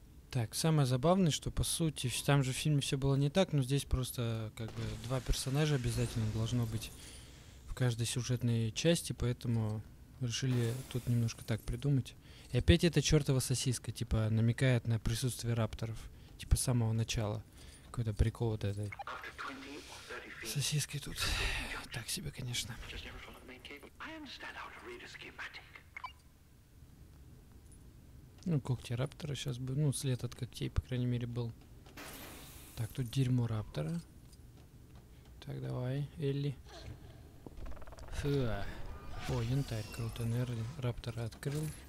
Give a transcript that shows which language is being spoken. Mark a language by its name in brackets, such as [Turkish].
[Russian] Так, самое забавное, что по сути там же в фильме все было не так, но здесь просто как бы два персонажа обязательно должно быть в каждой сюжетной части, поэтому решили тут немножко так придумать. И опять эта чертова сосиска, типа, намекает на присутствие рапторов. Типа, с самого начала. Какой-то прикол вот этой сосиской тут. Так себе, конечно. [English] I understand how to read a schematic. [Russian] Ну, когти раптора сейчас бы, ну, след от когтей, по крайней мере, был. Так, тут дерьмо раптора. Так, давай, Элли. Фуа. О, янтарь, круто, наверное, раптора открыл.